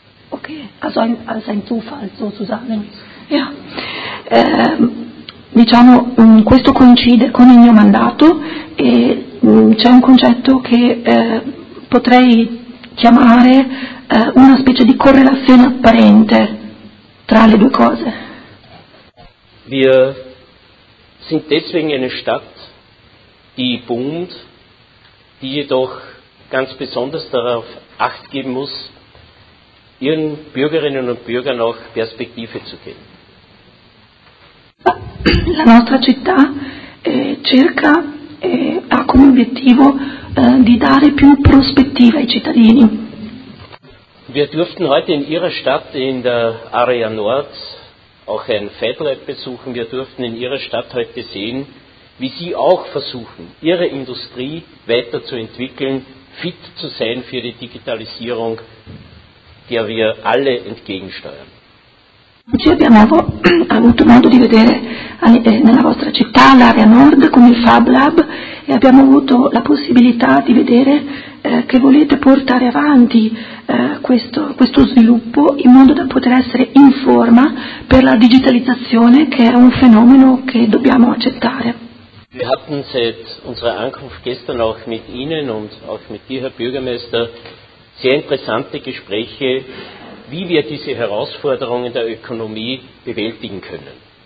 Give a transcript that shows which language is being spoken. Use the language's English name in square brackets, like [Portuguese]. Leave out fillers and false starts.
[German] Okay, also ein Zufall sozusagen. Ja. [Italian] Diciamo, questo coincide con il mio mandato e c'è un concetto che potrei chiamare una specie di correlazione apparente tra le due cose. [German] Wir sind deswegen eine Stadt, die boomt, die jedoch ganz besonders darauf Acht geben muss, ihren Bürgerinnen und Bürgern auch Perspektive zu geben. [Italian] La nostra città cerca ha come obiettivo di dare più prospettive ai cittadini. [German] Wir durften heute in Ihrer Stadt in der Area Nord auch ein FedLab besuchen. Wir durften in Ihrer Stadt heute sehen, wie Sie auch versuchen, Ihre Industrie weiterzuentwickeln, fit zu sein für die Digitalisierung, der wir alle entgegensteuern. [Italian] Oggi abbiamo avuto modo di vedere nella vostra città l'area nord con il Fab Lab e abbiamo avuto la possibilità di vedere che volete portare avanti questo sviluppo in modo da poter essere in forma per la digitalizzazione che è un fenomeno che dobbiamo accettare. [German] Wir hatten seit unserer Ankunft gestern auch mit Ihnen und auch mit dir, Herr Bürgermeister, sehr interessante Gespräche, wie wir diese Herausforderungen der Ökonomie bewältigen können.